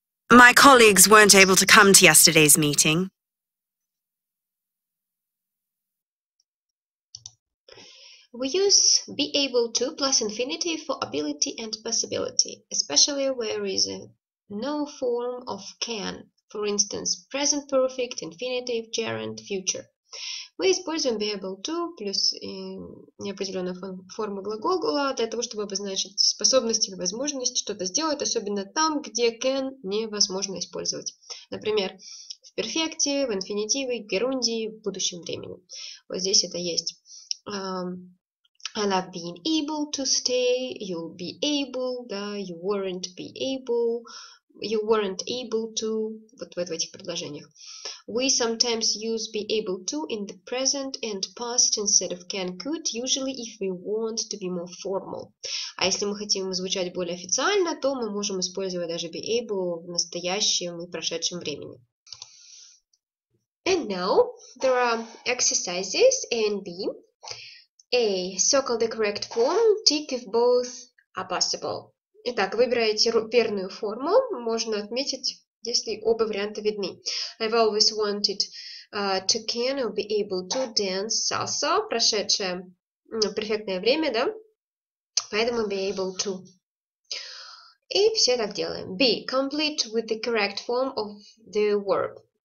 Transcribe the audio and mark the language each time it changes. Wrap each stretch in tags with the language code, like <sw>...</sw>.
<en>My colleagues weren't able to come to yesterday's meeting. We use be able to plus infinitive for ability and possibility, especially where is no form of can. For instance, present perfect, infinitive, gerund, future.</en> <ru>Мы используем be able to плюс неопределенную форму глагола для того, чтобы обозначить способность или возможность что-то сделать, особенно там, где can невозможно использовать. Например, в перфекте, в инфинитиве, герунде, в будущем времени. Вот здесь это есть.</ru> <en>I love being able to stay, you'll be able, да, you weren't be able, you weren't able to,</en> <ru>вот в этих предложениях.</ru> <en>We sometimes use be able to in the present and past instead of can, could, usually if we want to be more formal.</en> <ru>А если мы хотим звучать более официально, то мы можем использовать даже be able в настоящем и прошедшем времени.</ru> <en>And now, there are exercises A and B. A. Circle the correct form. Tick if both are possible.</en> <ru>Итак, выбираете верную форму. Можно отметить, если оба варианта видны.</ru> <en>I've always wanted to can or be able to dance salsa.</en> <ru>Прошедшее перфектное время, да? Поэтому be able to. И все так делаем. B.</ru> <en>Complete with the correct form of the verb.</en>